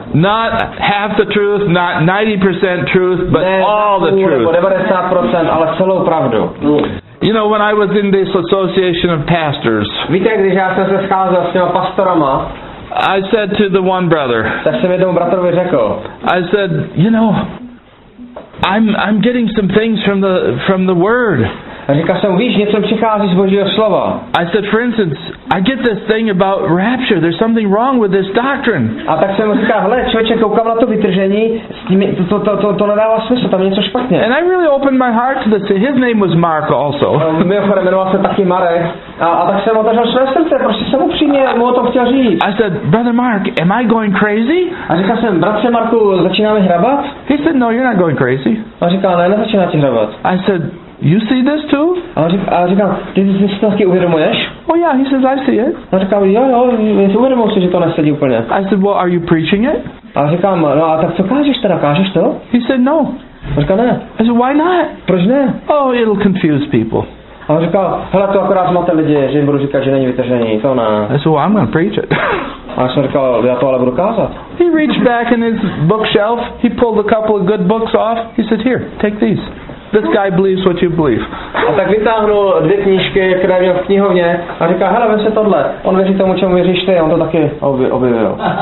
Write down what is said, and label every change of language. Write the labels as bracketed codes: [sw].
[en] Not half the truth, not 90% truth, but [cs] ne [en] all the truth. [cs] 90%, ale celou pravdu. [en] You know, when I was in this association of pastors, [cs] víte, když já jsem se scházel s těma pastorama, [en] I said to the one brother, [cs] tak jsem jednomu bratrovi řekl, [en] I said, you know, I'm getting some things from the word. [cs] A říkal jsem, víš, něco přichází z Božího slova. [en] I said, for instance, I get this thing about rapture. There's something wrong with this doctrine. [cs] A tak jsem říkal, hele, člověče, koukám na to vytržení, s tím to nedává smysl, tam je něco špatně. [en] And I really opened my heart to this. His name was Mark also. [cs] Mimochodem, jmenoval se taky Marek. A tak jsem otevřel své srdce, prostě jsem upřímně mu o tom chtěl říct. [en] I said, brother Mark, am I going crazy? [cs] A říkal jsem, bratře Marku, začínáme hrabat? [en] He said, no, you're not going crazy. [cs] A říkal, ne, nezačínáte hrabat. [en] I said, you see this too? [cs] A říkal, ty si to taky uvědomuješ? [en] Oh yeah, he says, I see it. [cs] A říkal, jo, si uvědomuji si, že to nesedí úplně. [en] I said, well, are you preaching it? [cs] A říkám, no a tak co kážeš teda, kážeš to? [en] He said, no. [cs] A říkal, ne. [en] I said, why not? [cs] Proč ne? [en] Oh, it'll confuse people. [cs] A on říkal, hele, to akorát máte lidi, že jim budu říkat, že není vytržení, to ne. [en] I said, well, I'm gonna preach it. [cs] A jsem říkal, já to ale budu kázat. [en] He reached back in his bookshelf, he pulled a couple of good books off, he said, here, take these. This guy believes what you believe. [cs] A tak vytáhnul dvě knížky, které měl v knihovně, a říká, hele, vem se tohle. On věří tomu, čemu věříš ty, on to taky objevil.